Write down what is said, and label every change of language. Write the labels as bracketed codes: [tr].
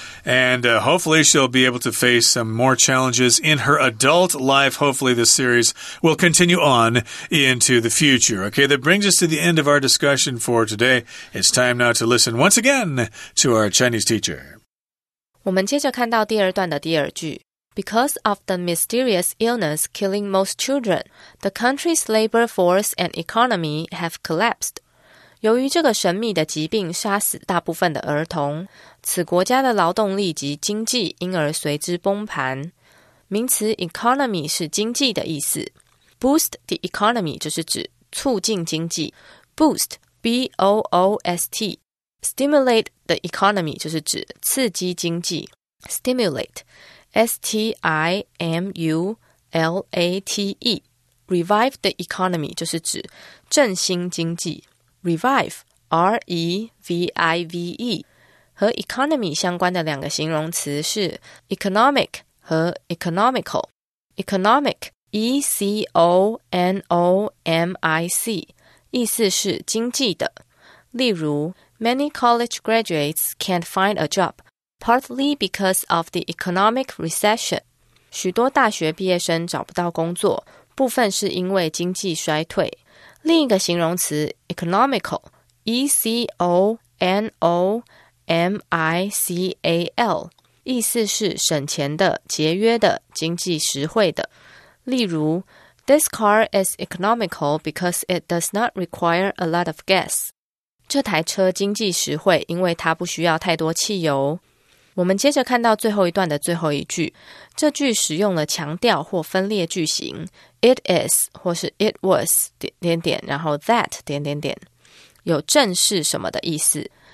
[en] And hopefully she'll be able to face some more challenges in her adult life. Hopefully this series will continue on into the future. Okay, that brings us to the end of our discussion for today. It's time now to listen once again to our Chinese teacher. [zh] 我们接着看到第二段的第二句。 [en] Because of the mysterious illness killing most children, the country's labor force and economy have collapsed. [zh] 由于这个神秘的疾病杀死大部分的儿童，此国家的劳动力及经济因而随之崩盘。名词 economy 是经济的意思。 [en] Boost the economy [zh] 就是指促进经济。 [en] Boost, B-O-O-S-T. Stimulate the economy [zh] 就是指刺激经济。 [en] Stimulate, S-T-I-M-U-L-A-T-E. Revive the economy [zh] 就是指振兴经济。 Revive, R-E-V-I-V-E, 和 economy 相关的两个形容词是 economic 和 economical. Economic, E-C-O-N-O-M-I-C, 意思是经济的。例如 [en] ,many college graduates can't find a job, partly because of the economic recession. [zh] 许多大学毕业生找不到工作,部分是因为经济衰退。另一个形容词 economical, E-C-O-N-O-M-I-C-A-L, 意思是省钱的、节约的、经济实惠的。例如 [en] ,This car is economical because it does not require a lot of gas. [zh] 这台车经济实惠因为它不需要太多汽油。我们接着看到最后一段的最后一句，这句使用了强调或分裂句型 ，it is 或是 it was 点点点，然后 that 点点点，有正是什么的意思。